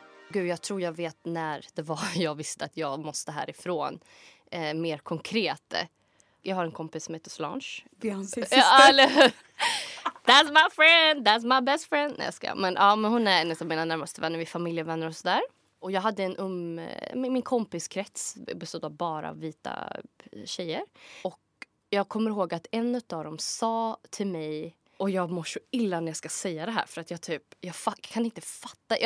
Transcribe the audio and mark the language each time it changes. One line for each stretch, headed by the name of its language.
Swedish: Gud, jag tror jag vet när det var jag visste att jag måste härifrån. Mer konkret. Jag har en kompis som heter Solange.
English: Beyoncé's sister. That's my friend, that's my best friend.
Swedish: Nej, jag ska. Men ja, men hon är en av mina närmaste vänner, vi är familjevänner och sådär. Och jag hade en min kompiskrets bestod av bara vita tjejer. Och jag kommer ihåg att en av dem sa till mig, och jag mår så illa när jag ska säga det här, för att jag typ, jag kan inte fatta.